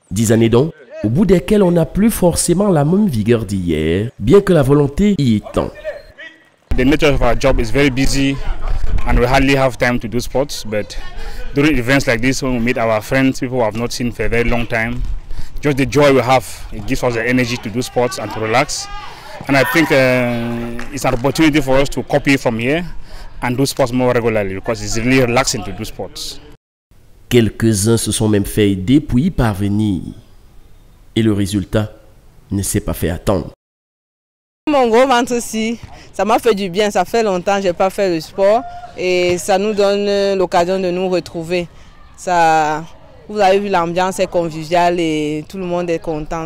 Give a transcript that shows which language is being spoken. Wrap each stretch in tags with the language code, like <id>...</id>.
<fr>Années donc, au bout desquelles on n'a plus forcément la même vigueur d'hier, bien que la volonté y étant.</fr> <en>The nature of our job is very busy, and we hardly have time to do sports. But during events like this, when we meet our friends, people we have not seen for a very long time, just the joy we have, it gives us the energy to do sports and to relax. And I think it's an opportunity for us to copy from here and do sports more regularly because it's really relaxing to do sports.</en> <fr>Quelques-uns se sont même fait aider pour y parvenir. Et le résultat ne s'est pas fait attendre. Mon gros ventre aussi, ça m'a fait du bien. Ça fait longtemps que je n'ai pas fait le sport. Et ça nous donne l'occasion de nous retrouver. Ça, vous avez vu, l'ambiance est conviviale et tout le monde est content.</fr>